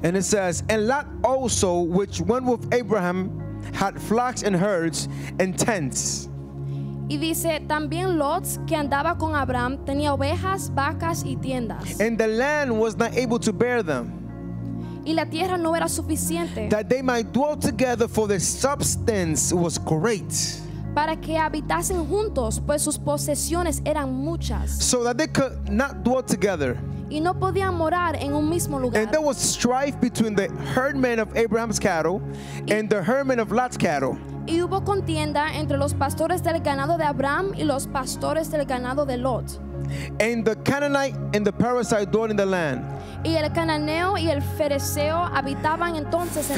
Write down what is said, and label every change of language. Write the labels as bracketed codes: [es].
[en] And it says, and Lot also, which went with Abraham, had flocks and herds and tents. [es] Y dice, también Lot, que andaba con Abraham, tenía ovejas, vacas y tiendas. [en] And the land was not able to bear them. [es] Y la tierra no era suficiente. [en] That they might dwell together, for the substance was great. [es] Para que habitasen juntos, pues sus posesiones eran muchas. [en] So that they could not dwell together. [es] Y no podían morar en un mismo lugar. [en] And there was strife between the herdmen of Abraham's cattle and the herdmen of Lot's cattle. [es] Y hubo contienda entre los pastores del ganado de Abraham y los pastores del ganado de Lot. [en] And the Canaanite and the Perizzite dwelt in the land. [es] Y el cananeo y el fereceo habitaban entonces en